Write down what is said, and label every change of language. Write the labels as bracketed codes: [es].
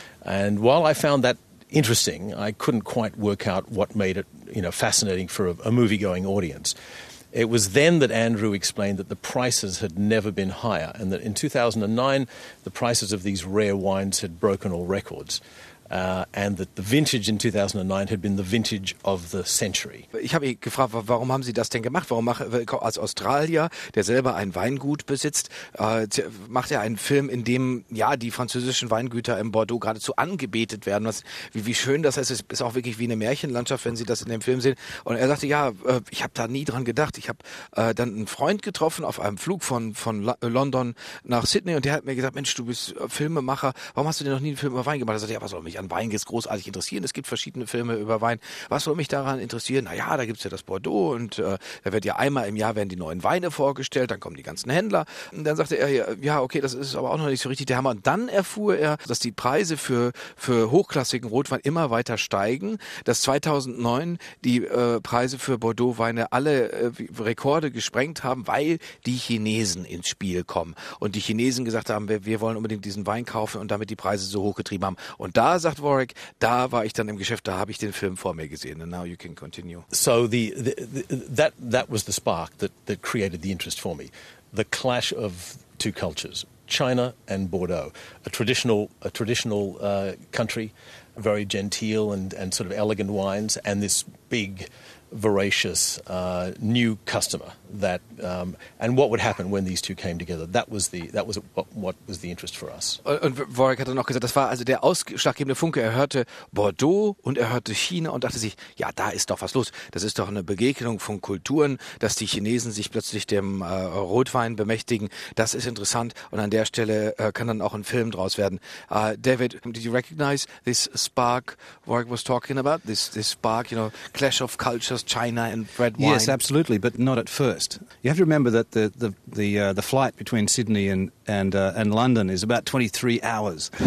[en] And while I found that interesting, I couldn't quite work out what made it, you know, fascinating for a movie-going audience. It was then that Andrew explained that the prices had never been higher, and that in 2009, the prices of these rare wines had broken all records. And that the vintage in 2009 had been the vintage of the century. [de] Ich habe gefragt, warum haben Sie das denn gemacht? Warum als Australier, der selber ein Weingut besitzt, macht er einen Film, in dem ja die französischen Weingüter im Bordeaux geradezu angebetet werden? Wie schön das ist. Es ist auch wirklich wie eine Märchenlandschaft, wenn Sie das in dem Film sehen. Und er sagte, ja, ich habe da nie dran gedacht. Ich habe dann einen Freund getroffen auf einem Flug von London nach Sydney und der hat mir gesagt, Mensch, du bist Filmemacher. Warum hast du denn noch nie einen Film über Wein gemacht? Er sagte, ja, was soll mich an Wein jetzt großartig interessieren. Es gibt verschiedene Filme über Wein. Was soll mich daran interessieren? Naja, da gibt es ja das Bordeaux und da wird ja einmal im Jahr werden die neuen Weine vorgestellt, dann kommen die ganzen Händler. Und dann sagte er, ja, okay, das ist aber auch noch nicht so richtig der Hammer. Und dann erfuhr er, dass die Preise für hochklassigen Rotwein immer weiter steigen, dass 2009 die Preise für Bordeaux-Weine alle Rekorde gesprengt haben, weil die Chinesen ins Spiel kommen. Und die Chinesen gesagt haben, wir wollen unbedingt diesen Wein kaufen und damit die Preise so hochgetrieben haben. Und da sagt Warwick, da war ich dann im Geschäft, da habe ich den Film vor mir gesehen. [en] And now you can continue. So that was the spark that created the interest for me. The clash of two cultures, China and Bordeaux. A traditional country, very genteel and sort of elegant wines, and this big voracious new customer that and what would happen when these two came together. That was the interest for us. [de] Und Warwick hat dann auch gesagt, das war also der ausschlaggebende Funke. Er hörte Bordeaux und er hörte China und dachte sich, ja, da ist doch was los. Das ist doch eine Begegnung von Kulturen, dass die Chinesen sich plötzlich dem Rotwein bemächtigen. Das ist interessant und an der Stelle kann dann auch ein Film draus werden. [en] David, did you recognize this spark Warwick was talking about? This spark, you know, clash of cultures, China and red wine. Yes, absolutely, but not at first. You have to remember that the flight between Sydney and London is about 23 hours.